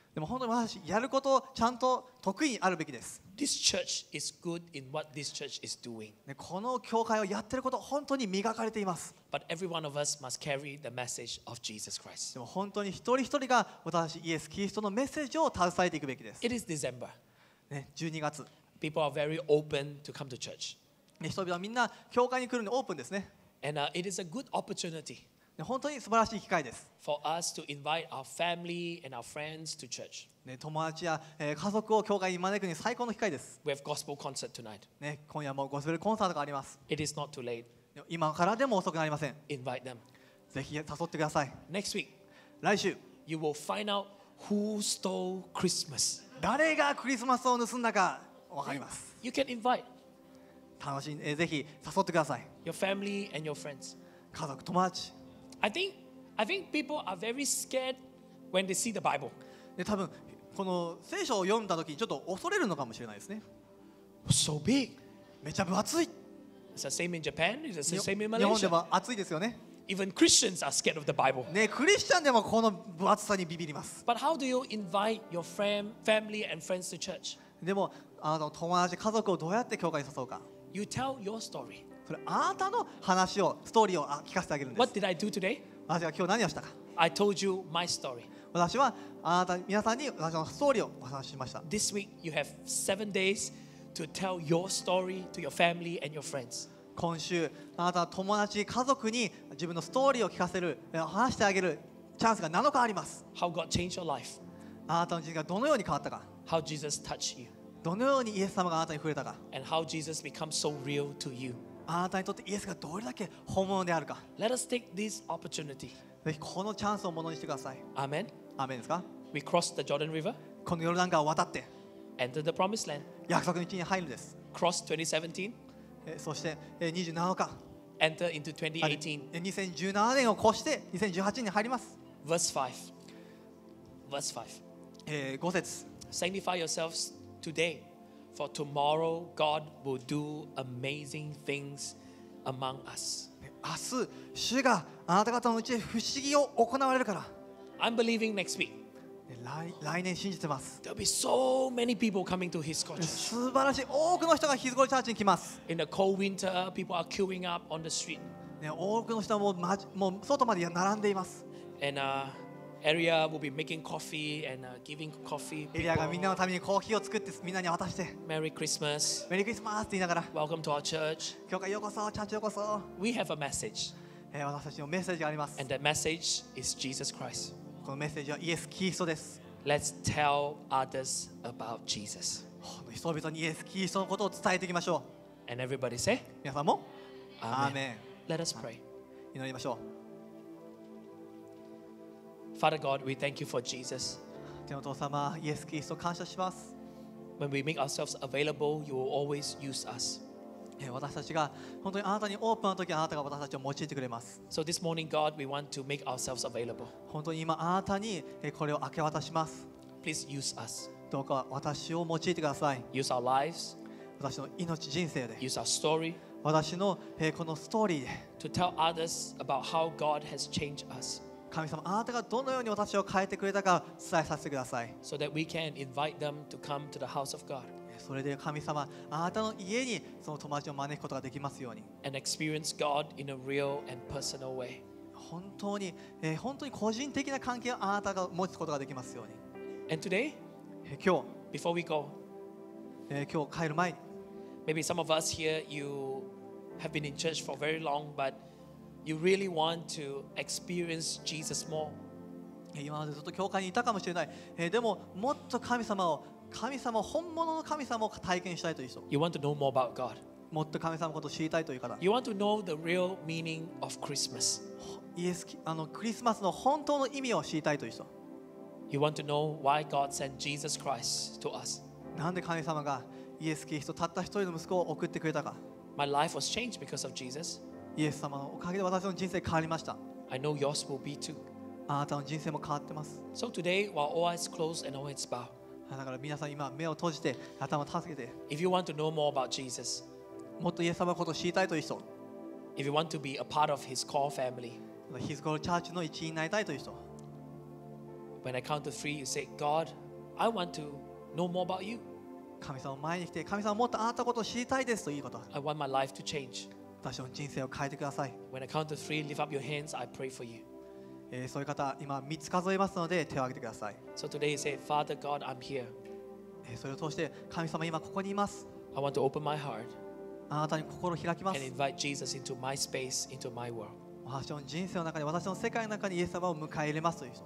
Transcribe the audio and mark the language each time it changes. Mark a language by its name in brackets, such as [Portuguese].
[Japanese] でも本当に私やることをちゃんと得意にあるべきです。 [English] This church is good in what this church is doing. [Japanese] この教会をやってること本当に磨かれています。 [English] But every one of us must carry the message of Jesus Christ. [Japanese] でも本当に一人一人が私イエス・キリストのメッセージを携えていくべきです。 [English] It is December. [Japanese] ね、12月。 [English] People are very open to come to church. [Japanese] ね、人々はみんな教会に来るのにオープンですね。 [English] And it is a good opportunity. [Japanese] 本当に素晴らしい機会です。 [English] For us to invite our family and our friends to church. [Japanese] 友達や家族を教会に招くに最高の機会です。 [English] We have gospel concert tonight. [Japanese] 今夜もゴスペルコンサートがあります。 [English] It is not too late. [Japanese] 今からでも遅くなりません。 [English] Invite them. [Japanese] ぜひ誘ってください。 [English] Next week. [Japanese] 来週。 [English] You will find out who stole Christmas. [Japanese] 誰がクリスマスを盗んだか分かります。 [English] You can invite. [Japanese] 楽しい。ぜひ誘ってください。 [English] Your family and your friends. [Japanese] 家族、友達。 [English] I think people are very scared when they see the Bible. [Japanese] で、多分この聖書を読んだ時にちょっと恐れるのかもしれないですね。 [English] So big. [Japanese] めちゃ分厚い。 [English] It's the same in Japan. It's the same in Malaysia. 日 [Japanese] 本でも厚いですよね。 [English] Even Christians are scared of the Bible. [Japanese] ね、クリスチャンでもこの分厚さにビビります。 [English] But how do you invite your family and friends to church? [Japanese] でも友達家族をどうやって教会に誘うか。 [English] You tell your story. [Japanese] それあなたの話をストーリーを聞かせてあげるんです。 [English] What did I do today? [Japanese] 私は今日何をしたか。 [English] I told you my story. [Japanese] 私はあなた皆さんに私のストーリーをお話ししました。 [English] This week you have 7 days to tell your story to your family and your friends. [Japanese] 今週あなたの友達家族に自分のストーリーを聞かせる話してあげるチャンスが7日あります。 [English] How God changed your life? [Japanese] あなたの人生がどのように変わったか。 [English] How Jesus touched you? [Japanese] どのようにイエス様があなたに触れたか。 [English] And how Jesus became so real to you? [Japanese] あなたにとってイエスがどれだけ本物であるか。 [English] Let us take this opportunity. [Japanese] ぜひこのチャンスをものにしてください。 [English] Amen. [Japanese] アーメンですか。 [English] We cross the Jordan River. [Japanese] このヨルダン川を渡って。 [English] Enter the Promised Land. [Japanese] 約束の地に入るんです。 [English] Cross 2017. [Japanese] そして27日。 [English] enter into [Japanese] 2018. 2017年を越して2018に入ります。 [English] Verse 5. [Japanese] 5節。 [English] Sanctify yourselves today, for tomorrow God will do amazing things among us. [Japanese] 明日、主があなた方のうちで不思議を行われるから。 [English] I'm believing next week. [Japanese] 来年信じてます。 [English] There'll be so many people coming to His church. [Japanese] 素晴らしい、多くの人がヒズボラチャーチに来ます。 [English] In the cold winter, people are queuing up on the street. [Japanese] 多くの人はもう外まで並んでいます。 [English] Area will be making coffee and giving coffee. [Japanese] エリアがみんなのためにコーヒーを作ってみんなに渡して。 [English] Merry Christmas. [Japanese] メリークリスマスって言いながら。 [English] Welcome to our church. [Japanese] 教会ようこそ、チャーチようこそ。 [English] We have a message. [Japanese] 私たちのメッセージがあります。 [English] And that message is Jesus Christ. [Japanese] このメッセージはイエス・キリストです。 [English] Let's tell others about Jesus. [Japanese] 人々にイエス・キリストのことを伝えていきましょう。 [English] And everybody say. [Japanese] 皆さんも。 [English] Amen. Let us pray. [Japanese] 祈りましょう。 [English] Father God, we thank you for Jesus. [Japanese] 天のお父様、イエス・キリスト感謝します。 [English] When we make ourselves available, you will always use us. [Japanese] 私たちが本当にあなたにオープンの時、あなたが私たちを用いてくれます。 [English] So this morning, God, we want to make ourselves available. [Japanese] 本当に今あなたにこれを明け渡します。 [English] Please use us. [Japanese] どうか私を用いてください。 [English] Use our lives. [Japanese] 私の命、人生で。 [English] Use our story. [Japanese] 私のこのストーリーで。 [English] To tell others about how God has changed us. [Japanese] 神様、あなたがどのように私を変えてくれたか伝えさせてください。 [English] So that we can invite them to come to the house of God. [Japanese] それで神様、あなたの家にその友達を招くことができますように。 [English] And experience God in a real and personal way. [Japanese] 本当に個人的な関係をあなたが持つことができますように。 [English] And today, [Japanese] 今日、 [English] before we go, [Japanese] 今日帰る前に、 [English] maybe some of us here, you have been in church for very long, but You really want to experience Jesus more. [Japanese] 今までずっと教会にいたかもしれない。でももっと神様本物の神様を体験したいという人。 [English] You want to know more about God. [Japanese] もっと神様のことを知りたいという方。 [English] You want to know the real meaning of Christmas. [Japanese] イエス、クリスマスの本当の意味を知りたいという人。 [English] You want to know why God sent Jesus Christ to us. [Japanese] なんで神様がイエス・キリストたった一人の息子を送ってくれたか。 [English] My life was changed because of Jesus. [Japanese] イエス様のおかげで私の人生変わりました。 [English] I know yours will be too. [Japanese] あなたの人生も変わってます。 [English] So today, while all eyes closed and all heads bowed. [Japanese] だから皆さん今目を閉じて頭を助けて。 [English] If you want to know more about Jesus, [Japanese] もっとイエス様のことを知りたいという人。 [English] If you want to be a part of His core family, His core church [Japanese] の一員になりたいという人。 [English] When I count to three, you say, God, I want to know more about you. [Japanese] 神様を前に来て、神様もっとあなたのことを知りたいですということ。 [English] I want my life to change. [Japanese] 私の人生を変えてください。 [English] When I count to three, lift up your hands. I pray for you. [Japanese] そういう方、今三つ数えますので手を挙げてください。 [English] So today, say, Father God, I'm here. [Japanese] それを通して神様今ここにいます。 [English] I want to open my heart. [Japanese] あなたに心を開きます。 [English] And invite Jesus into my space, into my world. [Japanese] 私の人生の中に、私の世界の中にイエス様を迎え入れますという人。